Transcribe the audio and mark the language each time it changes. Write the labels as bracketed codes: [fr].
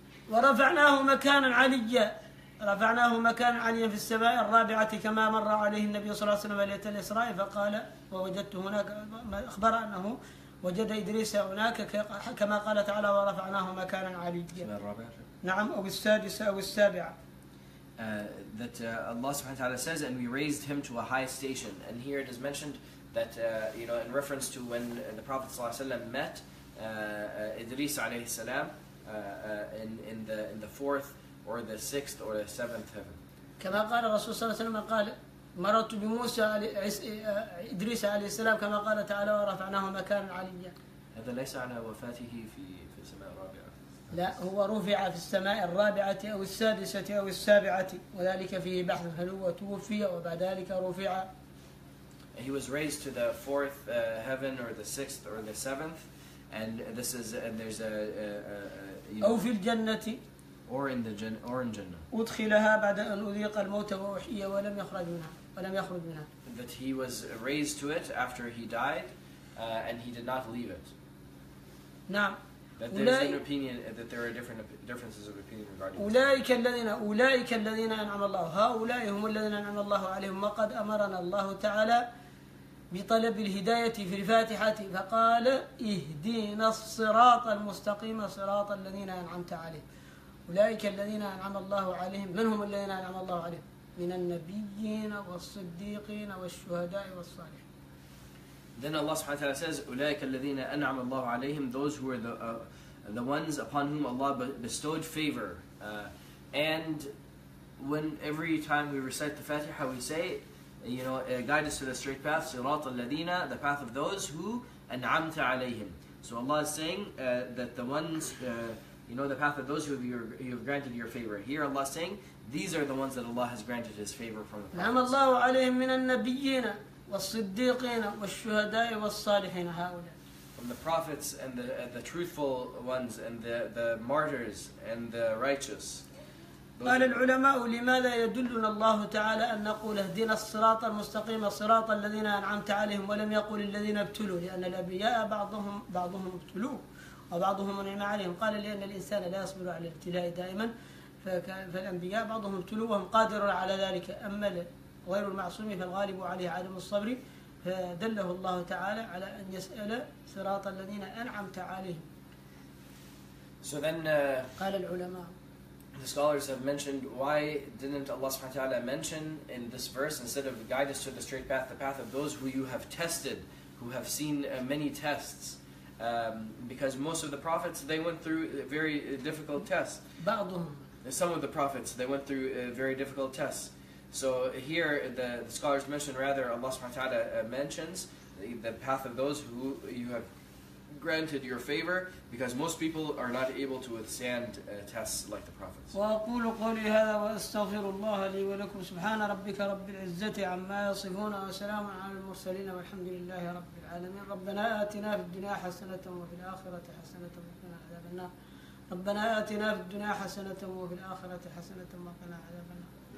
[ar] ورفعناه مكانا عليا، رفعناه مكانا عليا في السماء الرابعة كما مر عليه النبي صلى الله عليه وسلم ليلة الإسراء، فقال ووجدت هناك، أخبر أنه وجد إدريس هناك كما قال تعالى ورفعناه مكانا عليا. السماء الرابعة. نعم أو السادسة أو السابعة. [en] That Allah subhanahu wa ta'ala says and we raised him to a high station, and here it is mentioned that in reference to when the Prophet صلى الله عليه وسلم met إدريس عليه السلام. In the fourth or the sixth or the seventh heaven. [ar] كما قال الرسول صلى الله عليه وسلم قال مررت بموسى إدريس عليه السلام كما قال تعالى ورفعناه مكانا عليا. هذا ليس على وفاته في السماء الرابعة. لا هو رفع في السماء الرابعة أو السادسة أو السابعة، وذلك فيه بحث، هل هو توفي وبعد ذلك رفع. [en] He was raised to the fourth heaven or the sixth or the seventh. And this is, and there's [ar] أو في الجنة. [en] Or in the jannah. Or in jannah. [ar] أدخلها بعد أن أذيق الموت وأحيي ولم يخرج منها. ولم يخرج منها. [en] That he was raised to it after he died, and he did not leave it. [ar] نعم. [en] That there's an opinion that there are different differences of opinion regarding. [ar] أولئك الذين أنعم الله، هؤلاء هم الذين أنعم الله عليهم، وقد أمرنا الله تعالى بطلب الهداية في الفاتحة فقال اهدينا الصراط المستقيم صراط الذين أنعمت عليهم. أولئك الذين أنعم الله عليهم، من هم الذين أنعم الله عليهم؟ من النبيين والصديقين والشهداء والصالحين. [en] Then Allah subhanahu wa ta'ala says [ar] أولئك الذين أنعم الله عليهم, [en] those who are the ones upon whom Allah bestowed favor. And when every time we recite the Fatiha we say, guide us to the straight path, [ar] صراط الذين, [en] the path of those who [ar] أنعمت عليهم. [en] So Allah is saying that the ones, the path of those who have granted your favor. Here Allah is saying, these are the ones that Allah has granted His favor from the prophets. [ar] نعم الله عليهم من النبيين والصديقين والشهداء والصالحين هؤلاء. [en] From the prophets and the truthful ones and the martyrs and the righteous. [ar] قال العلماء لماذا يدلنا الله تعالى أن نقول اهدنا الصراط المستقيم صراط الذين أنعمت عليهم ولم يقل الذين ابتلوا، لأن الأبياء بعضهم ابتلوا وبعضهم أنعم عليهم. قال لأن الإنسان لا يصبر على الابتلاء دائما، فالأنبياء بعضهم ابتلوا وهم قادرون على ذلك، أما غير المعصوم فالغالب عليه عدم الصبر فدله الله تعالى على أن يسأل صراط الذين أنعمت عليهم. [en] So then, [ar] قال العلماء. [en] The scholars have mentioned, why didn't Allah subhanahu wa ta'ala mention in this verse, instead of guide us to the straight path, the path of those who you have tested, who have seen many tests. Because most of the prophets, they went through very difficult tests. Some of the prophets, they went through very difficult tests. So here, the scholars mention, rather, Allah subhanahu wa ta'ala mentions the path of those who you have granted your favor, because most people are not able to withstand tests like the prophets. [ar] وأقول قولي هذا وأستغفر الله لي ولكم سبحان ربك رب العزة عما يصفون وسلام على المرسلين والحمد لله رب العالمين ربنا آتنا في الدنيا حسنة وفي الآخرة حسنة وقنا عذاب النار ربنا آتنا في الدنيا حسنة وفي الآخرة حسنة وقنا عذاب النار